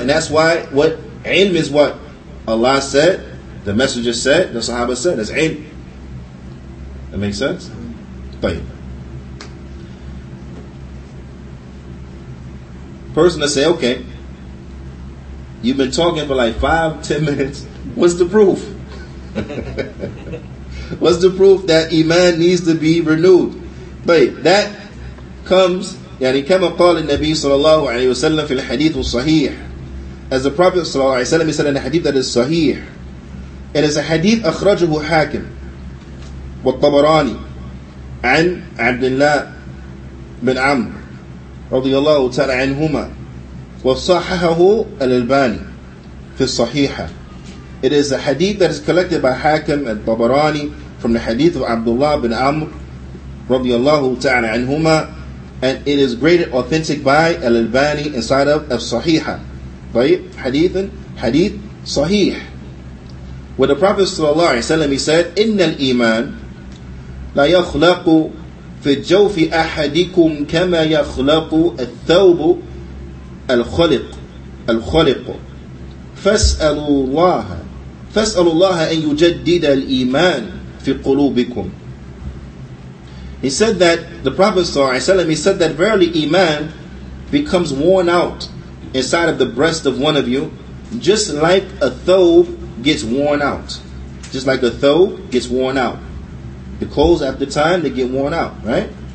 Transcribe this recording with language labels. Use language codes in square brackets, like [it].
[en] And that's why what ilm is what Allah said, the Messenger said, the Sahaba said. That's ilm. That makes sense? Tayyib. Person to say, okay, you've been talking for like 5-10 minutes. What's the proof? What's the proof that iman needs to be renewed? But that comes, [ar] يعني كما قال النبي صلى الله عليه وسلم في الحديث الصحيح. [en] As the Prophet صلى الله عليه وسلم said in a hadith that is صحيح. It is a hadith [ar] أخرجه حاكم والطبراني عن عبد الله بن عمرو رضي الله تعالى عنهما وصححه الألباني في الصحيحة. [en] It is a hadith that is collected by Hakim al-Tabarani from the hadith of Abdullah bin Amr رضي الله تعالى عنهما, and it is graded authentic by al-Albani inside of الصحيحة. [ar] طيب حديث حديث صحيح. [en] When the Prophet [ar] صلى الله عليه وسلم, [en] he said, [ar] إن الإيمان لا يخلق في الجوف أحدكم كما يخلق الثوب الخلق فاسألوا الله أن يجدد الإيمان في قلوبكم. [en] He said that the Prophet صلى الله عليه وسلم, he said that verily iman becomes worn out inside of the breast of one of you, just like a thawb gets worn out. Just like a thawb gets worn out. The clothes after time, they get worn out, right?